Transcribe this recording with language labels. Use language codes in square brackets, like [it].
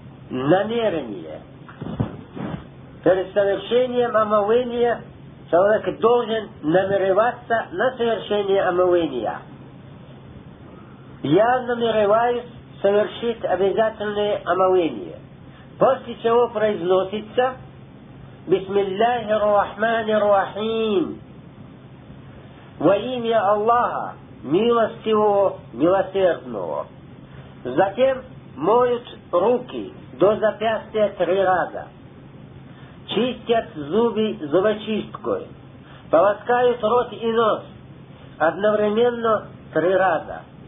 [ru] Намерение. Перед совершением омовения человек должен намереваться на совершение омовения. Я намереваюсь совершить обязательное омовение. После чего произносится: [ar] بسم الله الرحمن الرحيم. [ru] Во имя Аллаха, милостивого, милосердного. Затем моют руки до запястья 3 раза. Чистят зубы зубочисткой. Полоскают рот и нос одновременно 3 раза.